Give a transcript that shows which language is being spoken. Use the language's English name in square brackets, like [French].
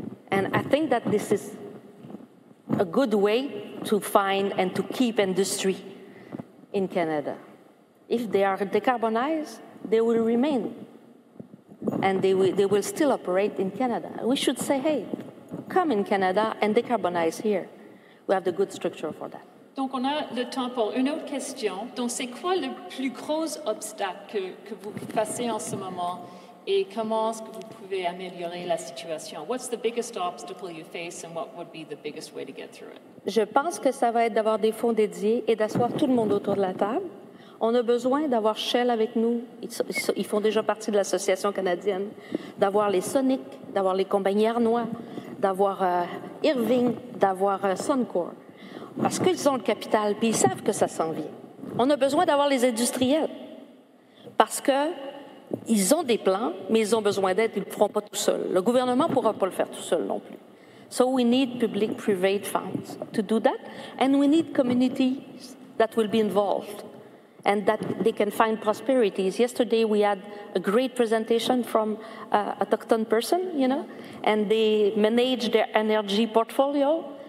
[English] And I think that this is a good way to find and to keep industry in Canada. If they are decarbonized, they will remain. And they will still operate in Canada. We should say, hey, come in Canada and decarbonize here. We have the good structure for that. [French] Donc on a le temps pour une autre question. Donc c'est quoi le plus gros obstacle que vous passez en ce moment et comment est-ce que vous pouvez améliorer la situation? [English] What's the biggest obstacle you face and what would be the biggest way to get through it? [French] Je pense que ça va être d'avoir des fonds dédiés et d'asseoir tout le monde autour de la table. On a besoin d'avoir Shell avec nous, ils font déjà partie de l'association canadienne, d'avoir les Sonic, d'avoir les compagnies Arnois, d'avoir Irving, d'avoir Suncor. Parce qu'ils ont le capital, puis ils savent que ça s'en vient. On a besoin d'avoir les industriels, parce qu'ils ont des plans, mais ils ont besoin d'aide, ils ne le feront pas tout seuls. Le gouvernement ne pourra pas le faire tout seul non plus. [English] So we need public-private funds to do that, and we need communities that will be involved. And that they can find prosperities. Yesterday we had a great presentation from an autochthon person, you know, and they manage their energy portfolio.